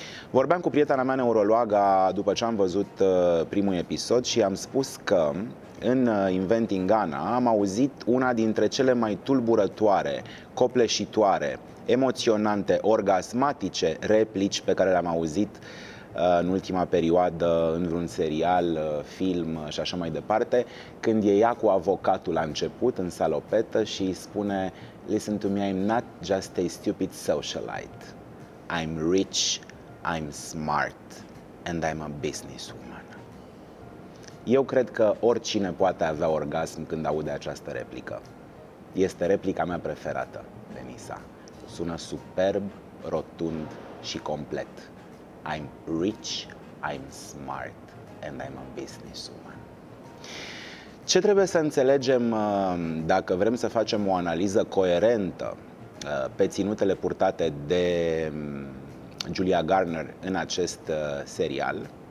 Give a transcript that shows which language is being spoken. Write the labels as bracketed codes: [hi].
[ro] Vorbeam cu prietena mea neurologa după ce am văzut primul episod și am spus că în Inventing Anna am auzit una dintre cele mai tulburătoare, copleșitoare, emoționante, orgasmatice replici pe care le-am auzit în ultima perioadă în vreun serial, film și așa mai departe, când e ea cu avocatul la început în salopetă și spune: [en] "Listen to me, I'm not just a stupid socialite. I'm rich, I'm smart, and I'm a businesswoman." [ro] Eu cred că oricine poate avea orgasm când aude această replică. Este replica mea preferată, Denisa. Sună superb, rotund și complet. [en] I'm rich, I'm smart, and I'm a businesswoman. [ro] Ce trebuie să înțelegem dacă vrem să facem o analiză coerentă pe ținutele purtate de Julia Garner în acest serial?